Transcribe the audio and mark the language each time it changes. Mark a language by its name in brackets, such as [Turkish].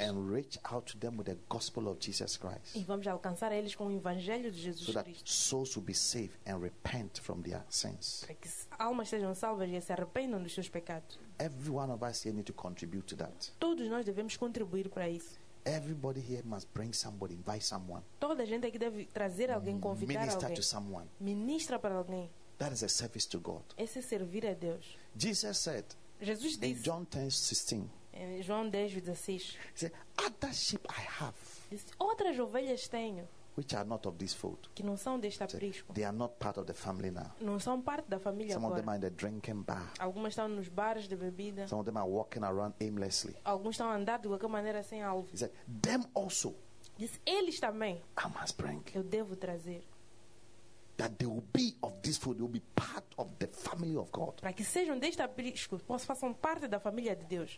[English] And reach out to them with the gospel of Jesus Christ. [Portuguese] E vamos alcançar a eles com o evangelho de Jesus Cristo. [English] So that souls will be saved and repent from their sins. [Portuguese] Para que almas sejam salvas e se arrependam dos seus pecados. [English] Every one of us here need to contribute to that. [Portuguese] Todos nós devemos contribuir para isso. [English] Everybody here must bring somebody, invite someone. [Portuguese] Toda a gente aqui deve trazer alguém, convidar [English] Minister [Portuguese] alguém. [English] Minister to someone. [Portuguese] Ministra para alguém. [English] That is a service to God. [Portuguese] Esse é servir a Deus. [English] Jesus said. [Portuguese] Jesus disse. [English] In John 10:16. [Portuguese] Em João 10:16. [English] He said, "Other sheep I have." [Portuguese] Disse, outras ovelhas tenho. [English] Which are not of this fold. [Portuguese] Que não são deste aprisco. [English] They are not part of the family now. [Portuguese] Não são parte da família [English] Some [Portuguese] agora. [English] Of them are in the drinking bar. [Portuguese] Algumas estão nos bares de bebida. [English] Some of them are walking around aimlessly. [Portuguese] Alguns estão a andar de qualquer maneira sem alvo. [English] He said, them also. [Portuguese] Diz, eles também. [English] I must bring. [Portuguese] Eu devo trazer. [English] That they will be of this fold. They will be part of the family of God. [Portuguese] Para que sejam deste aprisco, possam façam parte da família de Deus.